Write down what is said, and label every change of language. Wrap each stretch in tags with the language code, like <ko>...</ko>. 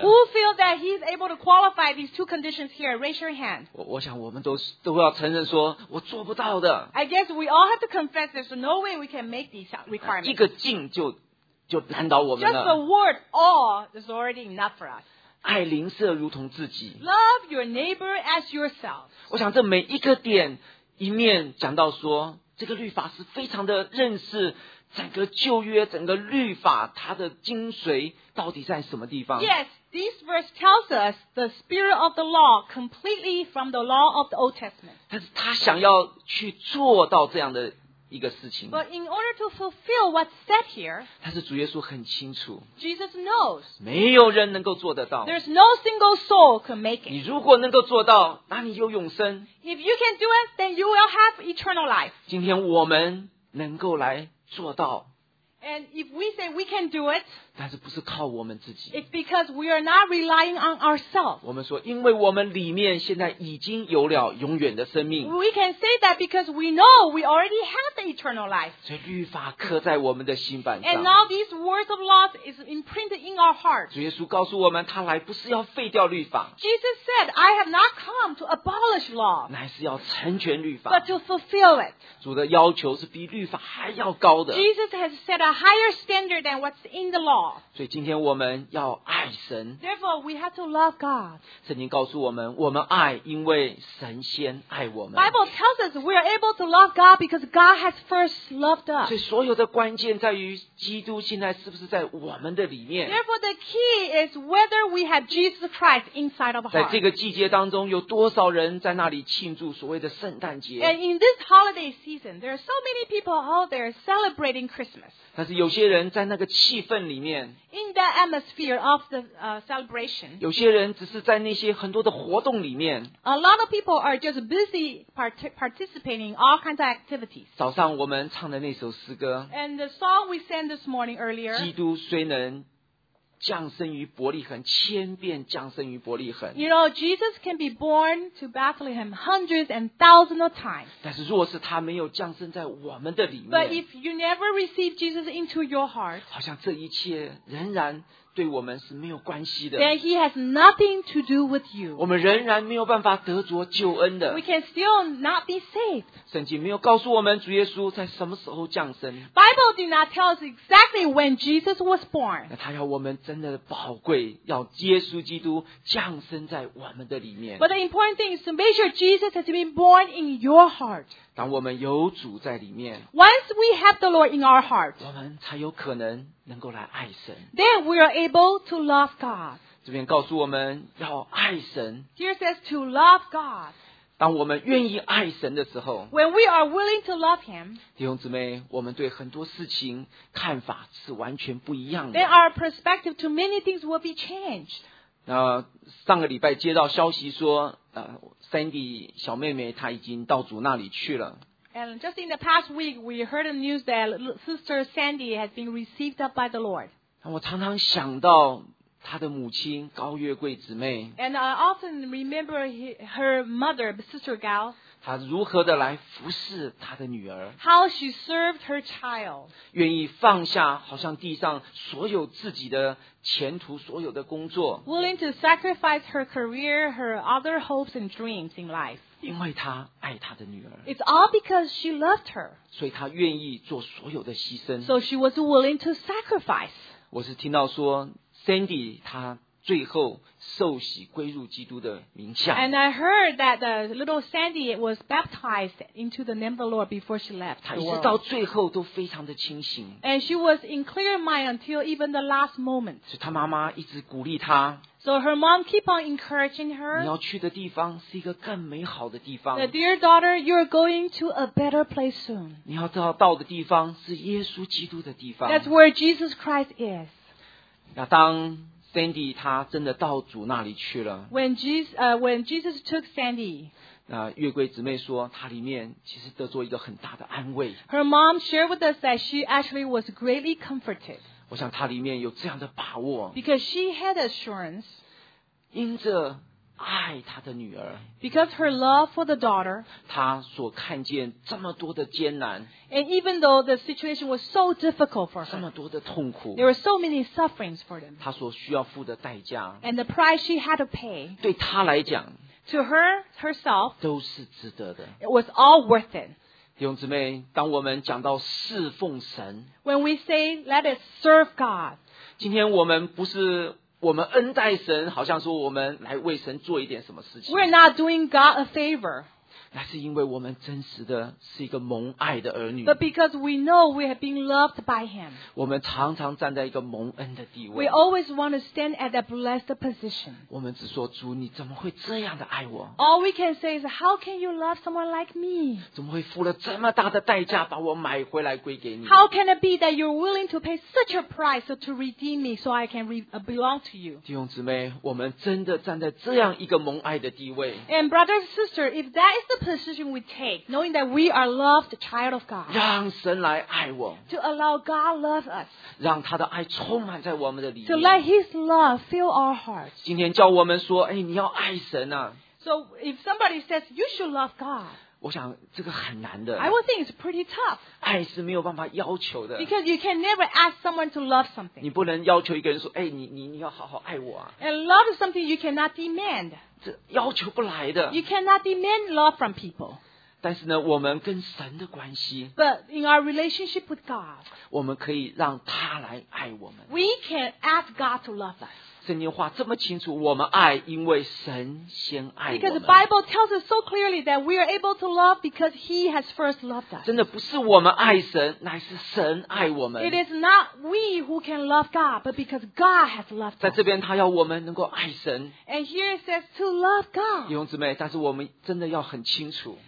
<en>Who feel that he's able to qualify these two conditions here? Raise your hand.</en> <zh>我想我们都要承认说我做不到的。</zh> <en>I guess we all have to confess there's no way we can make these requirements.</en> <zh>一个敬就难倒我们了。</zh> <en>Just the word all is already enough for us.</en> <zh>爱邻舍如同自己。</zh> <en>Love your neighbor as yourself.</en> <zh>我想这每一个点一面讲到说这个律法是非常的认识整个旧约整个律法它的精髓到底在什么地方。</zh> <en>Yes, this verse tells us the spirit of the law completely from the law of the Old Testament.</en> <zh>但是他想要去做到这样的一个事情。</zh> <en>But in order to fulfill what's said here,</en> <zh>但是主耶稣很清楚。</zh> <en>Jesus knows.</en> <zh>没有人能够做得到。</zh> <en>There's no single soul can make it.</en> <zh>你如果能够做到那你有永生。</zh> <en>If you can do it, then you will have eternal life.</en> <zh>今天我们能够来做到。</zh> <en>And if we say we can do it,</en> <zh>但是不是靠我们自己。</zh> <en>It's because we are not relying on ourselves.</en> <zh>我们说因为我们里面现在已经有了永远的生命。</zh> <en>We can say that because we know we already have the eternal life.</en> <zh>所以律法刻在我们的心板上。</zh> <en>And now these words of law is imprinted in our heart.</en> <zh>主耶稣告诉我们他来不是要废掉律法。</zh> <en>Jesus said, I have not come to abolish law.</en> <zh>乃是要成全律法。</zh> <en>But to fulfill it.</en> <zh>主的要求是比律法还要高的。</zh> <en>Jesus has set a higher standard than what's in the law.</en> <zh>所以今天我们要爱神。</zh> <en>Therefore, we have to love God.</en> <zh>圣经告诉我们，我们爱，因为神先爱我们。</zh> <en>Bible tells us we are able to love God because God has first loved us.</en> <zh>所以所有的关键在于基督现在是不是在我们的里面。</zh> <en>Therefore, the key is whether we have Jesus Christ inside of our heart.</en> <zh>在这个季节当中，有多少人在那里庆祝所谓的圣诞节？</zh> <en>And in this holiday season, there are so many people out there celebrating Christmas.</en> <zh>但是有些人在那个气氛里面。</zh> <en>In the atmosphere of the celebration,</en> <zh>有些人只是在那些很多的活动里面。</zh> <en>A lot of people are just busy participating in all kinds of activities.</en> <zh>早上我们唱的那首诗歌。</zh> <en>And the song we sang this morning earlier.</en> <zh>基督虽能降生于伯利恒，千遍降生于伯利恒。</zh> <en>You know, Jesus can be born to Bethlehem hundreds and thousands of times.</en> <zh>但是若是他没有降生在我们的里面。</zh> <en>But if you never receive Jesus into your heart,</en> <zh>好像这一切仍然对我们是没有关系的。</zh> <en>Then he has nothing to do with you.</en> <zh>我们仍然没有办法得着救恩的。</zh> <en>We can still not be saved.</en> <zh>圣经没有告诉我们主耶稣在什么时候降生。</zh> <en>Bible did not tell us exactly when Jesus was born.</en> <zh>那他要我们真的宝贵，要耶稣基督降生在我们的里面。</zh> <en>But the important thing is to make sure Jesus has been born in your heart.</en> <zh>当我们有主在里面。</zh> <en>Once we have the Lord in our heart,</en> <zh>我们才有可能能够来爱神。</zh> <en>Then we are able to love God.</en> <zh>这边告诉我们要爱神。</zh> <en>Here says to love God.</en> <zh>当我们愿意爱神的时候。</zh> <en>When we are willing to love Him.</en> <zh>弟兄姊妹，我们对很多事情看法是完全不一样的。</zh> <en>Then our perspective to many things will be changed.</en> <zh>上个礼拜接到消息说Sandy 小妹妹她已经到主那里去了。</zh> <en>And just in the past week, we heard the news that Sister Sandy has been received up by the Lord.</en> <zh>我常常想到她的母亲高月桂姊妹。</zh> <en>And I often remember her mother, Sister Gal.</en> <zh>她如何的来服侍她的女儿。</zh> <en>How she served her child.</en> <zh>愿意放下好像地上所有自己的前途所有的工作。</zh> <en>Willing to sacrifice her career, her other hopes and dreams in life.</en> <zh>因为他爱他的女儿。</zh> <en>It's all because she loved her.</en> <zh>所以他愿意做所有的牺牲。</zh> <en>So she was willing to sacrifice.</en> <zh>我是听到说 Sandy 他最后受洗归入基督的名下。</zh> <en>And I heard that the little Sandy was baptized into the name of the Lord before she left.</en> <zh>她一直到最后都非常的清醒。</zh> <en>And she was in clear mind until even the last moment.</en> <zh>所以她妈妈一直鼓励她。</zh> <en>So her mom keep on encouraging her.</en> <zh>你要去的地方是一个更美好的地方。</zh> <en>That dear daughter, you're going to a better place soon.</en> <zh>你要到的地方是耶稣基督的地方。</zh> <en>That's where Jesus Christ is.</en> <zh>那当Sandy 他真的到主那里去了。</zh> <en>When Jesus took Sandy,</en> <zh>那月桂姊妹说，她里面其实得做一个很大的安慰。</zh> <en>Her mom shared with us that she actually was greatly comforted.</en> <zh>我想她里面有这样的把握。</zh> <en>Because she had assurance,</en> <zh>因着爱她的女儿。</zh> <en>Because her love for the daughter.</en> <zh>她所看见这么多的艰难。</zh> <en>And even though the situation was so difficult for her.</en> <zh>这么多的痛苦。</zh> <en>There were so many sufferings for them.</en> <zh>她所需要付的代价。</zh> <en>And the price she had to pay.</en> <zh>对她来讲。</zh> <en>To her, herself.</en> <zh>都是值得的。</zh> <en>It was all worth it.</en> <zh>弟兄姊妹，当我们讲到侍奉神</zh> <en>，When we say let us serve God，</en> <zh>今天我们不是我们恩待神，好像说我们来为神做一点什么事情。</zh> <en>We're not doing God a favor，</en> <zh>那是因为我们真实的是一个蒙爱的儿女。</zh> <en>But because we know we have been loved by Him，</en> <zh>我们常常站在一个蒙恩的地位。</zh> <en>We always want to stand at a blessed position。</en> <zh>我们只说主，你怎么会这样的爱我</zh> <en>？All we can say is how can you love someone like me？</en> <zh>怎么会付了这么大的代价把我买回来归给你</zh> <en>？How can it be that you're willing to pay such a price to redeem me so I can belong to you？</en> <zh>弟兄姊妹，我们真的站在这样一个蒙爱的地位。</zh> <en>And brothers and sisters, if that is the position we take, knowing that we are loved child of God，</en> <zh>让神来爱我</zh> <en>，to allow God love us，</en> <zh>让他的爱充满在我们的里面</zh> <en>，to let His love fill our hearts。</en> <zh>今天叫我们说，哎，你要爱神啊。</zh> <en>So if somebody says you should love God，</en> <zh>我想这个很难的。</zh> <en>I would think it's pretty tough。</en> <zh>爱是没有办法要求的。</zh> <en>Because you can never ask someone to love something。</en> <zh>你不能要求一个人说，哎，你要好好爱我啊。</zh> <en>And love is something you cannot demand。</en> <zh>这要求不来的。</zh> <en>You cannot demand love from people。</en> <zh>但是呢，我们跟神的关系</zh> <en>，But in our relationship with God，</en> <zh>我们可以让他来爱我们。</zh> <en>We can ask God to love us。</en> <zh>圣经话这么清楚，我们爱，因为神先爱我们。</zh> <en>Because the Bible tells us so clearly that we are able to love because He has first loved us。</en> <zh>真的不是我们爱神，乃是神爱我们。</zh> <en>It is not we who can love God, but because God has loved us。</en> <zh>在这边，他要我们能够爱神。</zh> <en>And here it says to love God。</en> <zh>弟兄姊妹，但是我们真的要很清楚。</zh>